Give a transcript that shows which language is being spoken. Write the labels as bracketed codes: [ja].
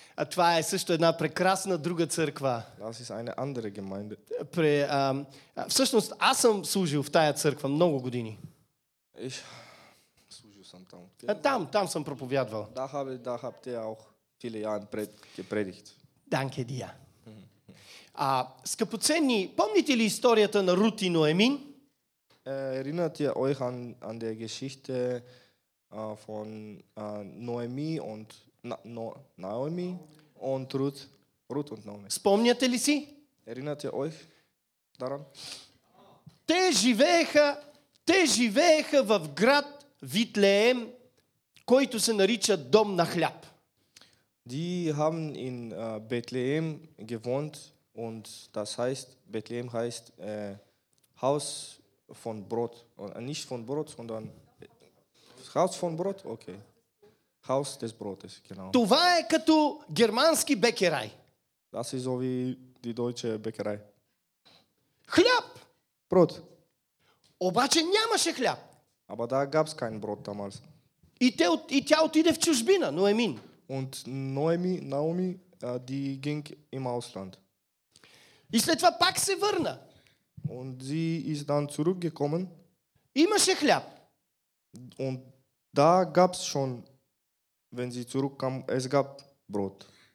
[bg] Това е също една прекрасна друга църква. [de] Das ist eine andere Gemeinde. [bg] Всъщност, аз съм служил в тая църква много години. [de] Ich [bg] служил съм там. Там съм проповядвал. [de] Da habt ihr auch viele Jahre gepredigt. Danke dir. [bg] Скъпоценни, помните ли историята на Рут и Ноемин? [de] Erinnert ihr euch an der Geschichte von Noemi und Naomi und Ruth und Naomi. [bg] Спомняте ли си? [de] Erinnert ihr euch daran? [bg] Те живееха в град Витлеем, който се нарича Дом на хляб. [de] Die haben in Bethlehem gewohnt und das heißt Bethlehem heißt Haus von Brot und nicht von Brot, sondern Haus von Brot, okay. Haus des Brotes, genau. [bg] Това е като германски бекерай. [de] Das ist so wie die deutsche Bäckerei. [bg] Хляб. [de] Brot. [bg] Обаче нямаше хляб. [de] Aber da gab's kein Brot damals. [bg] И тя отиде в чужбина, Ноемин. [de] Und Naomi, die ging im Ausland. Ist etwa [bg] pak se vrna. [de] Und sie ist dann zurückgekommen. [bg] Имаше хляб. [de] Und da gab's schon, wenn sie zurückkam, es gab Brot.